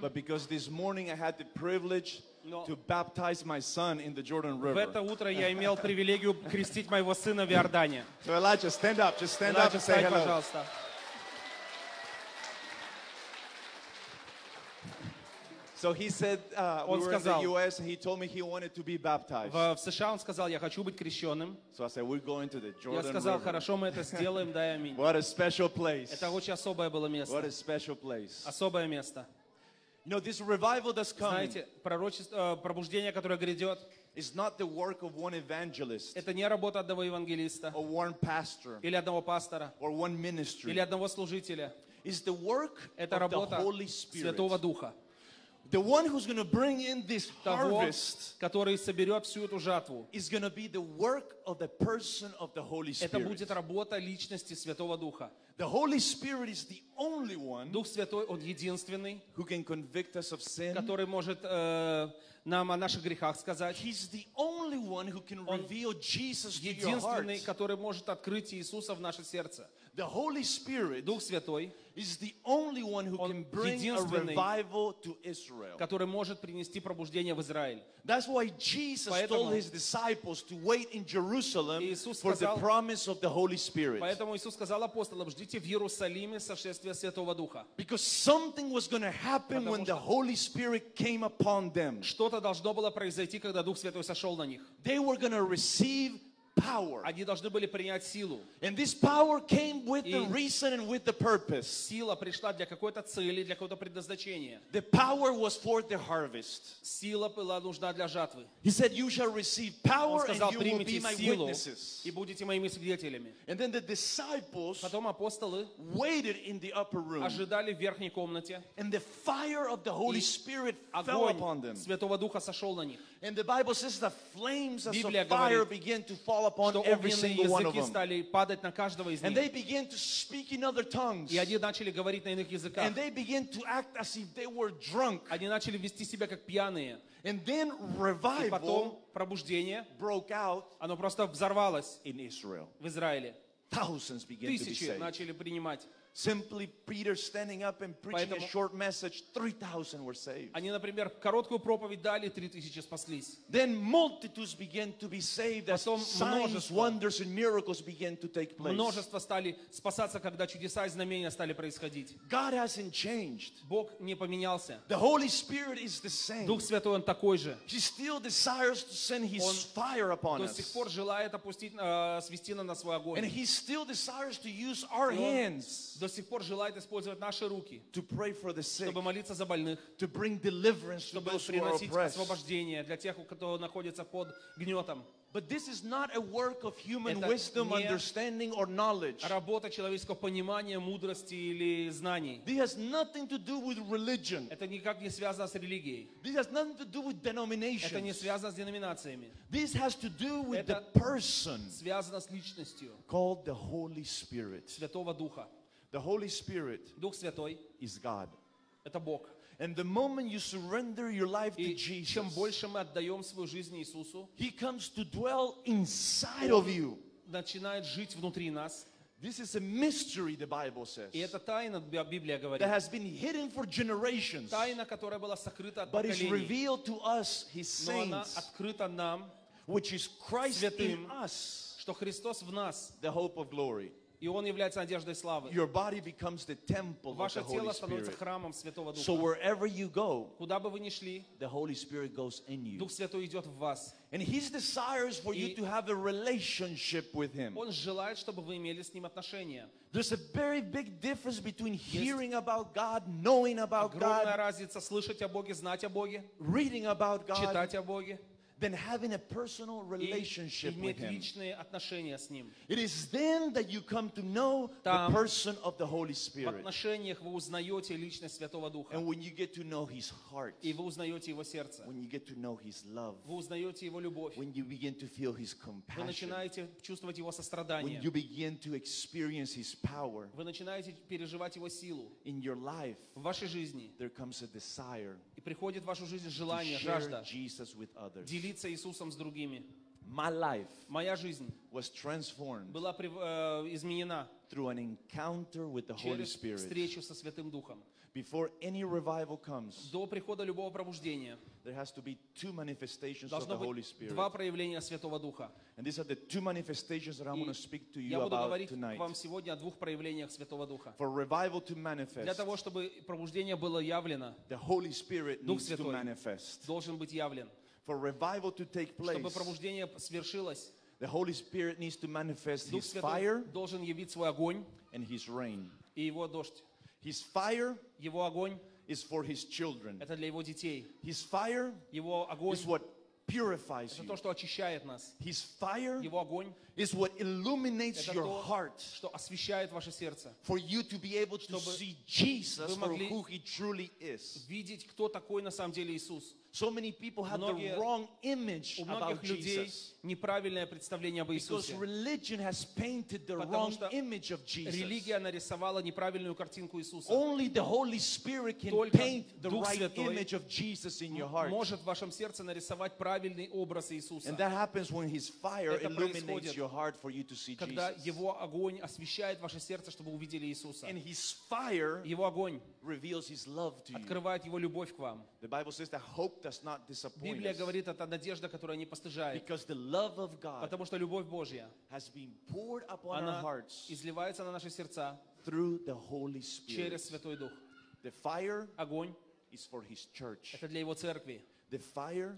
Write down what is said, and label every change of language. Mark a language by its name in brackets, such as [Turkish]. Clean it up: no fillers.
[English] but because this morning I had the privilege to baptize my son in the Jordan River. [Russian] В это утро я имел привилегию крестить моего сына в Иордане. [English] So Elijah, stand up. Just stand Elijah, up and say hello. [Russian] Пожалуйста. [English] So he said, we were in the U.S. and he told me he wanted to be baptized. [Russian] В США он сказал, я хочу быть крещенным. [English] So I said, we're going to the Jordan River. [Russian] Я сказал, хорошо, мы это сделаем, дай аминь. [English] What a special place. [Russian] Это очень особое было место. [English] What a special place. [Russian] Особое место. [English] You know, this revival that's coming. [Russian] Знаете, пробуждение, которое грядет. [English] It's not the work of one evangelist. [Russian] Это не работа одного евангелиста. [English] Or one pastor. [Russian] Или одного пастора. [English] Or one ministry. [Russian] Или одного служителя. [English] It's the work of the Holy Spirit. [Russian] Святого Духа. [English] The one who's going to bring in this harvest, [Russian] который соберёт всю эту жатву, [English] is going to be the work of the person of the Holy Spirit. [Russian] Это будет работа личности Святого Духа. [English] The Holy Spirit is the only one, [Russian] Дух Святой, он единственный, [English] who can convict us of sin, [Russian] который может нам о наших грехах сказать. [English] He's the only one who can reveal Jesus to your heart. [Russian] Единственный, который может открыть Иисуса в наше сердце. [English] The Holy Spirit, [Russian] Дух Святой, [English] is the only one who can bring a revival to Israel. [Russian] Который может принести пробуждение в Израиль. [English] That's why Jesus told his disciples to wait in Jerusalem for the promise of the Holy Spirit. [Russian] Поэтому Иисус сказал апостолам: ждите в Иерусалиме сошествия Святого Духа. [English] Because something was going to happen when the Holy Spirit came upon them. [Russian] Что-то должно было произойти, когда Дух Святой сошел на них. [English] They were going to receive power. [Russian] Они должны были принять силу. [English] And this power came with the reason and with the purpose. [Russian] Сила пришла для какой-то цели, для какого-то предназначения. [English] The power was for the harvest. [Russian] Сила была нужна для жатвы. [English] He said, "You shall receive power, [Russian] Он сказал, [English] and you will be my [Russian] силу, [English] witnesses." [Russian] И будете моими свидетелями. [English] And then the disciples, [Russian] потом апостолы, [English] waited in the upper room, [Russian] ожидали в верхней комнате, [English] and the fire of the Holy Spirit fell upon them. [Russian] Святого Духа сошел на них. [English] And the Bible says the flames of fire [Russian] говорит, [English] began to fall upon every single one of them. And they began to speak in other tongues. And they began to act as if they were drunk. And then revival broke out in Israel. Thousands began to be saved. Simply Peter standing up and preaching [Russian] Поэтому, [English] a short message, 3,000 were saved. [Russian] Они, например, короткую проповедь дали, 3,000 спаслись. [English] Then multitudes began to be saved as [Russian] Потом [English] signs, wonders, and miracles began to take place. [Russian] Множество стали спасаться, когда чудеса и знамения стали происходить. [English] God hasn't changed. [Russian] Бог не поменялся. [English] The Holy Spirit is the same. [Russian] Дух Святой, Он такой же. [English] He still desires to send His [Russian] Он [English] fire upon us. [Russian] До сих пор желает опустить, свести на нас свой огонь. [English] And He still desires to use our hands. [Russian] До сих пор желает использовать наши руки, чтобы молиться за больных, [English] to bring deliverance [Russian] чтобы приносить освобождение для тех, кто находится под гнетом. [English] But this is not a work of human wisdom, understanding, or knowledge. [Russian] Работа человеческого понимания, мудрости или знаний. [English] This has nothing to do with religion. [Russian] Это никак не связано с религией. [English] This has nothing to do with denominations. [Russian] Это не связано с деноминациями. [English] This has to do with the person. [Russian] Связано с личностью. [English] Called the Holy Spirit. [Russian] Святого Духа. [English] The Holy Spirit [Russian] Дух Святой [English] is God. [Russian] Это Бог. [English] And the moment you surrender your life [Russian] И [English] to Jesus, [Russian] чем больше мы отдаем свою жизнь Иисусу, [English] He comes to dwell inside of you. [Russian] Начинает жить внутри нас. [English] This is a mystery, the Bible says. [Russian] И это тайна, Библия говорит. [English] That has been hidden for generations. [Russian] Тайна, которая была сокрыта от [English] but [Russian] поколений. [English] But is revealed to us, His saints. [Russian] Но она открыта нам, [English] which is Christ [Russian] святым, [English] in us, [Russian] что Христос в нас, [English] the hope of glory. [Russian] И он является надеждой славы. [English] Your body becomes the temple of the Holy Spirit. [Russian] Храмом Святого Духа. [English] So wherever you go, [Russian] куда бы вы ни шли, [English] the Holy Spirit goes in you. [Russian] Дух Святой идет в вас. [English] And His desires for you to have a relationship with Him. [Russian] Он желает, чтобы вы имели с ним отношения. [English] There's a very big difference between hearing about God, knowing about God. [Russian] Огромная разница слышать о Боге, знать о Боге. [English] Reading about God. [Russian] Читать о Боге. [English] Than having a personal relationship with Him. It is then that you come to know [Russian] Там, [English] the person of the Holy Spirit. [Russian] В отношениях вы узнаете личность Святого Духа. [English] And when you get to know His heart. [Russian] И вы узнаете Его сердце. [English] When you get to know His love. [Russian] Вы узнаете Его любовь. [English] When you begin to feel His compassion. [Russian] Вы начинаете чувствовать Его сострадание. [English] When you begin to experience His power. [Russian] Вы начинаете переживать Его силу. [English] In your life. [Russian] В вашей жизни. [English] There comes a desire. [Russian] И приходит в вашу жизнь желание, жажда делиться Иисусом с другими. [English] My life [Russian] моя жизнь [English] was transformed [Russian] была изменена [English] through an encounter with the Holy Spirit. [Russian] Через встречу со Святым Духом. [English] Before any revival comes, [Russian] до прихода любого пробуждения, [English] there has to be two manifestations of the Holy Spirit. [Russian] Два проявления Святого Духа. [English] And these are the two manifestations that I'm going to speak to you about tonight. [Russian] Я буду говорить вам сегодня о двух проявлениях Святого Духа. [English] For revival to manifest, [Russian] для того чтобы пробуждение было явлено, [English] the Holy Spirit [Russian] Дух Святой [English] needs to manifest. [Russian] Должен быть явлен. [English] For revival to take place, [Russian] чтобы пробуждение свершилось, [English] the Holy Spirit needs to manifest [Russian] Дух [English] His fire [Russian] должен явить свой огонь, [English] and His rain. [Russian] И его дождь. [English] His fire is for His children. [Russian] Это для его детей. [English] His fire [Russian] его огонь [English] is what purifies [Russian] это то, что очищает нас. [English] His fire [Russian] его огонь [English] is what illuminates [Russian] это [English] your heart [Russian] что освещает ваше сердце. [English] For you to be able to see Jesus for who He truly is. [Russian] Видеть, кто такой на самом деле Иисус. [English] So many people have the wrong image [Russian] у многих [English] about [Russian] людей [English] Jesus. [Russian] Неправильное представление об Иисусе. [English] Because religion has painted the [Russian] потому [English] wrong image of Jesus. [Russian] Религия нарисовала неправильную картинку Иисуса. [English] Only the Holy Spirit can [Russian] только [English] paint the right image of Jesus in your heart. [Russian] Может в вашем сердце нарисовать правильный образ Иисуса. [English] And that happens when His fire illuminates your heart for you to see Jesus. [Russian] Когда его огонь освещает ваше сердце, чтобы увидели Иисуса. [English] And His fire reveals His love to you. [Russian] Открывает его любовь к вам. [English] The Bible says that hope does not disappoint. [Russian] Библия говорит, это надежда, которая не постыжает. [English] Because the love of God, [Russian] потому что любовь Божья, [English] has been poured upon our hearts, [Russian] изливается на наши сердца, [English] through the Holy Spirit, [Russian] через Святой Дух. [English] The fire, [Russian] огонь, [English] is for His church. [Russian] Это для его церкви. [English] The fire,